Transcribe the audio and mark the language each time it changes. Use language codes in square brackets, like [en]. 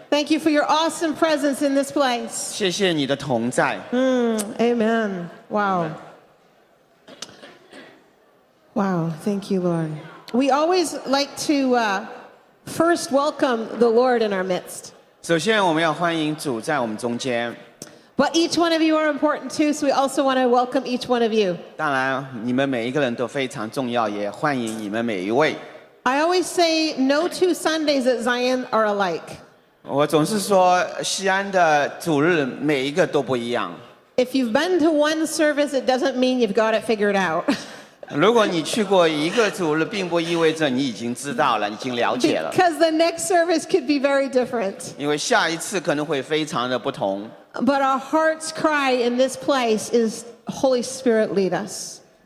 [en] Thank you for your awesome presence in this place. [zh] 谢谢你的同在。 [en] Amen. Wow. Wow, thank you, Lord. We always like to first welcome the Lord in our midst. [zh] 首先我们要欢迎主在我们中间。 [en] But each one of you are important too, so we also want to welcome each one of you. [zh] 当然,你们每一个人都非常重要,也欢迎你们每一位。 [en] I always say no two Sundays at Zion are alike. [zh] 我总是说,西安的主日每一个都不一样。 [en] If you've been to one service, it doesn't mean you've got it figured out. [zh] 如果你去过一个主日,并不意味着你已经知道了,已经了解了。 [en] Because the next service could be very different. [zh] 因为下一次可能会非常的不同。 [en] But our heart's cry in this place is, Holy Spirit, lead us.